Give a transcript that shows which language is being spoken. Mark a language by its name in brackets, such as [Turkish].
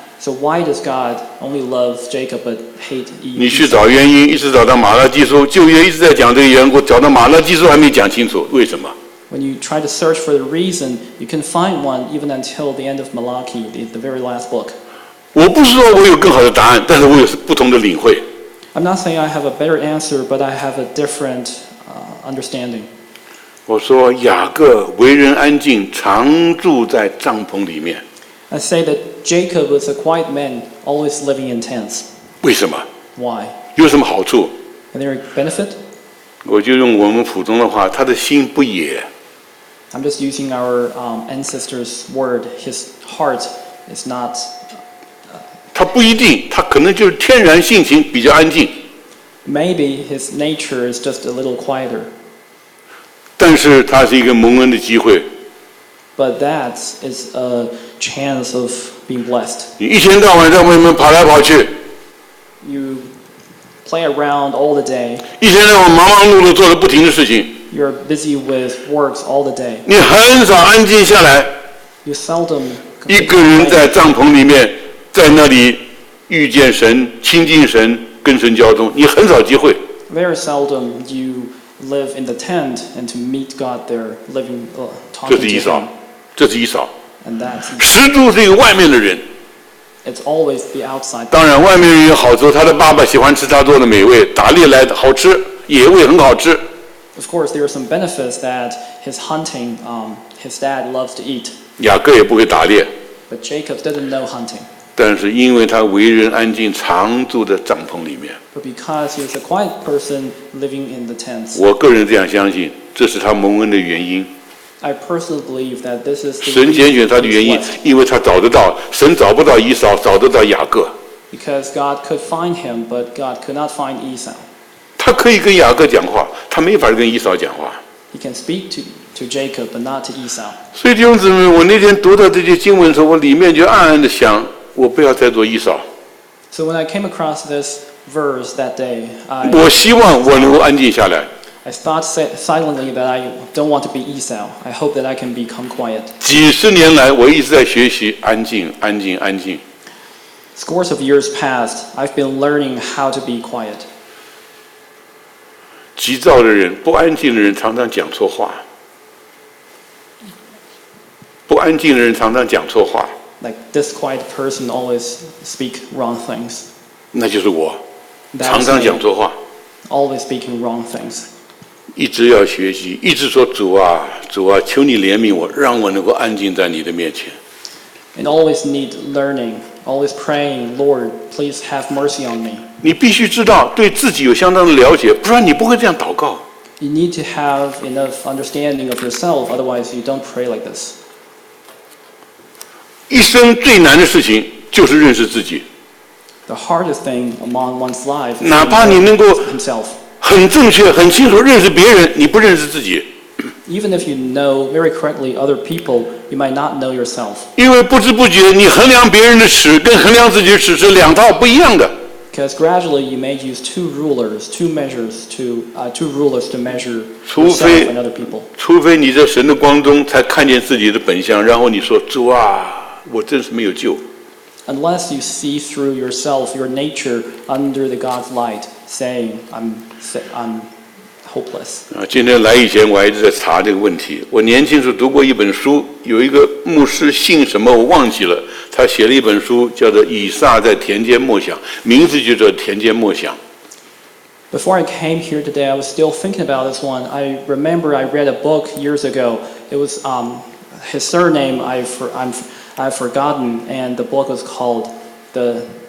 [English] So why does God only love Jacob but hate Esau? [Chinese] 你去找原因，一直找到马拉基书，旧约一直在讲这个缘故，找到马拉基书还没讲清楚，为什么？ [English] When you try to search for the reason, you can find one even until the end of Malachi, the very last book. [Chinese] 我不是说我有更好的答案，但是我有不同的领会。 [English] I'm not saying I have a better answer, but I have a different understanding. [Chinese] 我说雅各为人安静，常住在帐篷里面。 [English] I say that Jacob was a quiet man, always living in tents. [Chinese] 为什么 [English] ？Why？ [Chinese] 有什么好处 [English] ？Is there a benefit？ [Chinese] 我就用我们普通的话，他的心不野。 [English] I'm just using our ancestor's word. His heart is not. [Chinese] 他不一定，他可能就是天然性情比较安静。 [English] Maybe his nature is just a little quieter. [Chinese] 但是他是一个蒙恩的机会。 [English] But that is a chance of being blessed. [Chinese] 你一天到晚在外面跑来跑去。 [English] You. Play around all the day. [Chinese] 一天到晚忙忙碌碌做着不停的事情。 [English] You're busy with works all the day. [Chinese] 你很少安静下来。 [English] You seldom. [Chinese] 一个人在帐篷里面，在那里遇见神、亲近神、跟神交通，你很少机会。 [English] Very seldom you live in the tent and to meet God there, living talking to Him. [Chinese] 这是以扫，这是以扫。 [English] And that. [Chinese] 十住是一个外面的人。 [English] It's always the outside. [Chinese] 当然，外面有好处。他的爸爸喜欢吃他做的美味，打猎来的好吃，野味很好吃。 [English] Of course, there are some benefits that his hunting, his dad loves to eat. [Chinese] 雅各也不会打猎。 [English] But Jacob doesn't know hunting. [Chinese] 但是因为他为人安静，常住在帐篷里面。 [English] But because he is a quiet person living in the tents. [Chinese] 我个人这样相信，这是他蒙恩的原因。 [English] I personally believe that this is the [Chinese] 神拣选他的原因，因为他找得到神，找不到以扫，找得到雅各。 [English] Because God could find him, but God could not find Esau. [Chinese] 他可以跟雅各讲话，他没法跟以扫讲话。 [English] He can speak to Jacob, but not to Esau. [Chinese] 所以弟兄姊妹，我那天读到这些经文的时候，我里面就暗暗的想，我不要再做以扫。 [English] So when I came across this verse that day, [Chinese] 我希望我能够安静下来。 [English] I thought silently that I don't want to be Esau. I hope that I can become quiet. [Chinese] 几十年来，我一直在学习安静，安静，安静。 [English] Scores of years passed, I've been learning how to be quiet. [Chinese] 急躁的人，不安静的人常常讲错话。不安静的人常常讲错话。 [English] Like this quiet person always speak wrong things. [Chinese] 那就是我，常常讲错话。 [English] Always speaking wrong things. [Chinese] 一直要学习，一直说主啊，主啊，求你怜悯我，让我能够安静在你的面前。 [English] And always need learning, always praying, Lord, please have mercy on me. [Chinese] 你必须知道对自己有相当的了解，不然你不会这样祷告。 [English] You need to have enough understanding of yourself, otherwise you don't pray like this. [Chinese] 一生最难的事情就是认识自己。 [English] The hardest thing among one's life. [Chinese] 哪怕你能够 [English] himself. [Chinese] 很正确，很清楚，认识别人，你不认识自己。 [English] Even if you know very correctly other people, you might not know yourself. [Chinese] 因为不知不觉，你衡量别人的尺跟衡量自己的尺是两套不一样的。 [English] Because gradually you may use two rulers to measure yourself and other people. [Chinese] 除非你在神的光中才看见自己的本相，然后你说主啊，我真是没有救。 [English] Unless you see through yourself, your nature under the God's light, saying, "I'm hopeless." [Chinese] 啊，今天来以前我还在查这个问题。我年轻时读过一本书，有一个牧师姓什么我忘记了，他写了一本书叫做《以撒在田间默想》，名字就叫《田间默想》。 [English] Before I came here today, I was still thinking about this one. I remember I read a book years ago. It was his surname. I've forgotten, and the book was called the